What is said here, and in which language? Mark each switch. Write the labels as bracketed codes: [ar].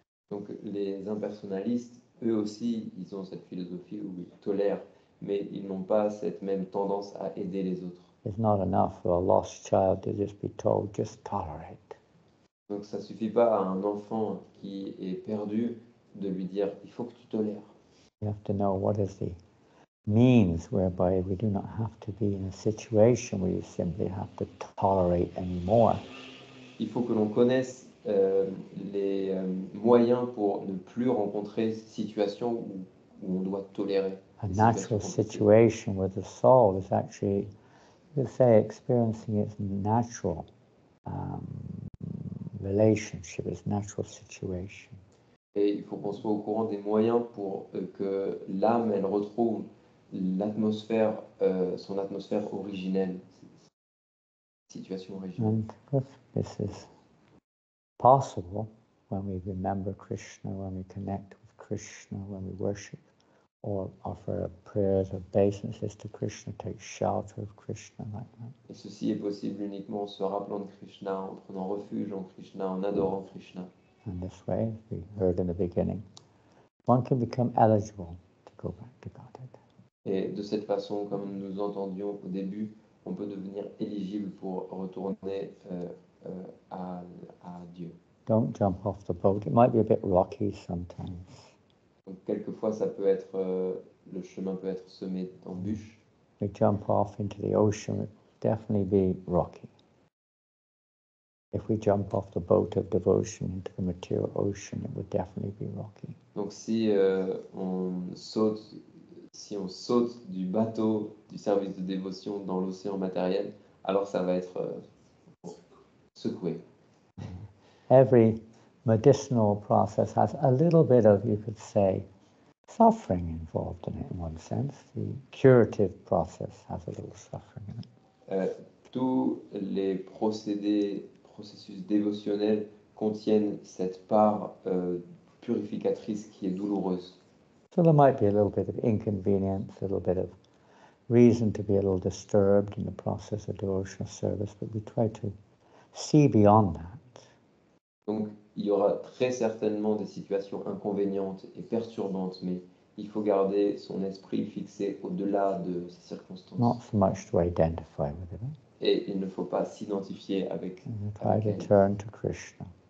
[fr] Donc les impersonnalistes, eux aussi, ils ont cette philosophie où ils tolèrent, mais ils n'ont pas cette même tendance à aider les autres. [en] It's not enough for a lost child to just be told, just tolerate. [fr] Donc ça suffit pas à un enfant qui est perdu de lui dire, il faut que tu tolères. [en] You have to know what is the means whereby we do not have to be in a situation where you simply have to tolerate anymore. [fr] Il faut que l'on connaisse les moyens pour ne plus rencontrer situation où on doit tolérer. [en] A natural situation where the soul is actually, you could say, experiencing its natural relationship, its natural situation. [fr] Et il faut qu'on soit au courant des moyens pour que l'âme, elle retrouve l'atmosphère, son atmosphère originelle, situation originelle. [en] And of course, this is possible when we remember Krishna, when we connect with Krishna, when we worship or offer prayers or obeisances to Krishna, take shelter of Krishna, like that. [fr] Et ceci est possible uniquement en se rappelant de Krishna, en prenant refuge en Krishna, en adorant Krishna. [en] In this way, we heard in the beginning, one can become eligible to go back to Godhead. [fr] Et de cette façon, comme nous entendions au début, on peut devenir éligible pour retourner à Dieu. [en] Don't jump off the boat. It might be a bit rocky sometimes. [fr] Donc quelquefois, ça peut être le chemin peut être semé d'embûches. [en] We jump off into the ocean. It would definitely be rocky. If we jump off the boat of devotion into the material ocean, it would definitely be rocky. [fr] Donc si on saute du bateau du service de dévotion dans l'océan matériel, alors ça va être secoué. [en] Every medicinal process has a little bit of, you could say, suffering involved in it in one sense. The curative process has a little suffering in it. [fr] Tous les processus dévotionnels contiennent cette part purificatrice qui est douloureuse. [en] So there might be a little bit of inconvenience, a little bit of reason to be a little disturbed in the process of devotional service, but we try to see beyond that. [fr] Donc il y aura très certainement des situations inconvénientes et perturbantes, mais il faut garder son esprit fixé au-delà de ces circonstances. [en] Not so much to identify with it. [fr] Et il ne faut pas s'identifier avec elle. [en] Turn to Krishna.